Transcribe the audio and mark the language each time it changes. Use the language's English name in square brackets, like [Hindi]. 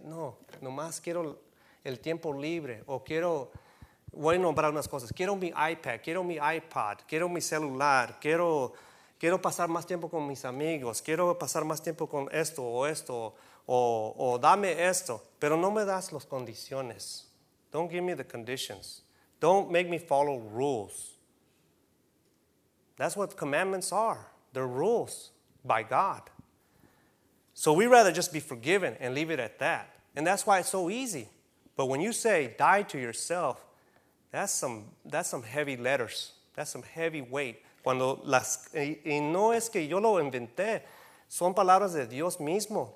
[Spanish] No, nomás quiero el tiempo libre o quiero... Voy a nombrar unas cosas. Quiero mi iPad, quiero mi iPod, quiero mi celular, quiero pasar más tiempo con mis amigos, quiero pasar más tiempo con esto o esto, o dame esto. Pero no me das las condiciones. [English] Don't give me the conditions. Don't make me follow rules. That's what commandments are. They're rules by God. So we'd rather just be forgiven and leave it at that. And that's why it's so easy. But when you say, die to yourself, That's some heavy letters. That's some heavy weight. [Spanish] Cuando las, y no es que yo lo inventé. Son palabras de Dios mismo.